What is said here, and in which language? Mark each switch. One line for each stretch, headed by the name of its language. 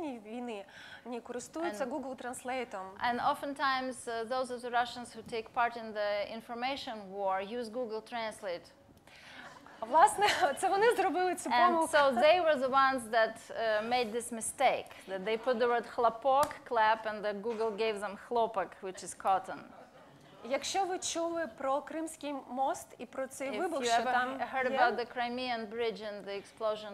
English: And oftentimes those of the Russians who take part in the information war use Google Translate.
Ukrainian: Власне, це вони зробили цю помилку.
English: And so they were the ones that made this mistake. That they put the word хлопок, clap, and the Google gave them хлопок, which is cotton.
Ukrainian: Якщо ви чули про Кримський мост і про цей вибух, що там...
English: If you heard about the Crimean bridge and the explosion